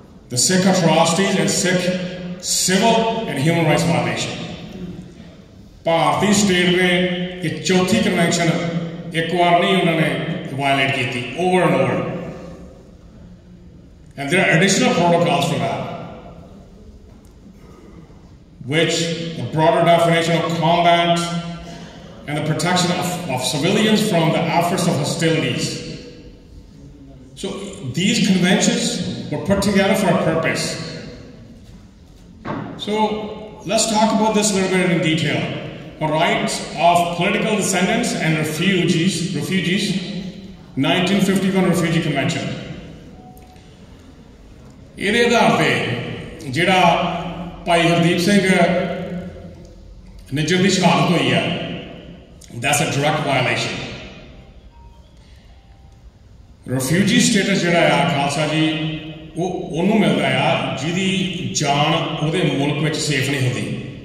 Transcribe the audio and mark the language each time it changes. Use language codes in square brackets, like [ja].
[en] the Sikh atrocities and Sikh civil and human rights violation [pa] Bharatiya state ਨੇ ਇਹ ਚੌਥੀ convention ਇੱਕ ਵਾਰ ਨਹੀਂ ਉਹਨਾਂ ਨੇ [en] Violate ਕੀਤੀ over and over and they are additional protocols for that which the broader definition of combat and the protection of civilians from the efforts of hostilities. So these conventions were put together for a purpose. So let's talk about this a little bit in detail. The rights of political descendants and refugees, 1951 Refugee Convention. [pa] ਇਹਦੇ ਆਧਾਰ ਤੇ ਜਿਹੜਾ ਭਾਈ ਹਰਦੀਪ ਸਿੰਘ ਨਿੱਜਰ ਦੀ ਸ਼ਹਾਦਤ ਹੋਈ ਹੈ [en] that's a direct violation [pa] refugee status ਜਿਹੜਾ ਆ ਖਾਲਸਾ ਜੀ ਉਹ ਉਹਨੂੰ ਮਿਲਦਾ ਆ ਜਿਹਦੀ ਜਾਨ ਉਹਦੇ ਮੁਲਕ ਵਿੱਚ ਸੇਫ ਨਹੀਂ ਹੁੰਦੀ